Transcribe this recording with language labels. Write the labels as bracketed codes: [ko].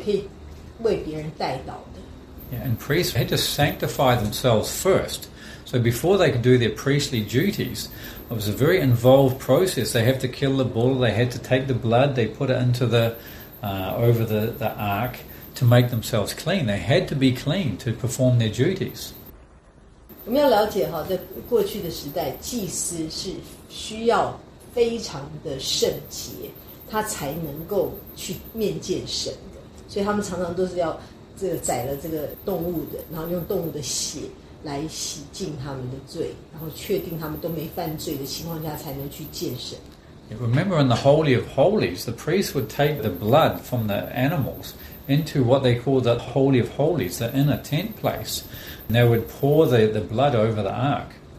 [zh] 而我们因为成为这样的大祭司，所以我们是跟神的关系是非常亲密的。啊，我们是可以，也可以为别人代祷的。 [en] Yeah, and priests had to sanctify themselves first. So before they could do their priestly duties, it was a very involved process. They have to kill the bull, they had to take the blood, they put it into the over the ark to make themselves clean. They had to be clean to perform their duties. [zh] 我们要了解，在过去的时代，祭司是需要非常的圣洁，他才能够去面见神的。所以他们常常都是要宰了这个动物的，然后用动物的血来洗净他们的罪，然后确定他们都没犯罪的情况下，才能去见神。 [en] Remember, in the Holy of Holies, the priest would take the blood from the animals into what they call the Holy of Holies, the inner tent place. And they would pour the blood over the ark.